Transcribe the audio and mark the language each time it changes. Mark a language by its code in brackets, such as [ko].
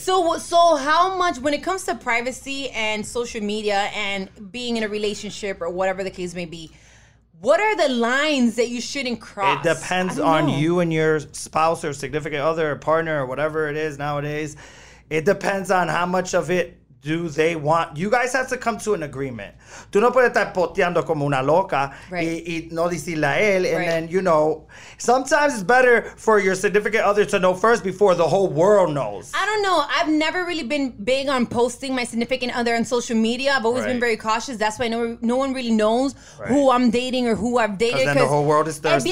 [en] So how much, when it comes to privacy and social media and being in a relationship or whatever the case may be, What are the lines that you shouldn't cross? It depends on you and your spouse or significant other or partner or whatever it is nowadays. It depends on how much of it do they want. You guys have to come to an agreement. [es] Tú no puedes estar poteando como una loca y no decirle a él. [en] And then, you know, sometimes it's better for your significant other to know first before the whole world knows. I don't know. I've never really been big on posting my significant other on social media. I've always been very cautious. That's why no one really knows who I'm dating or who I've dated. Because then the whole world is thirsty.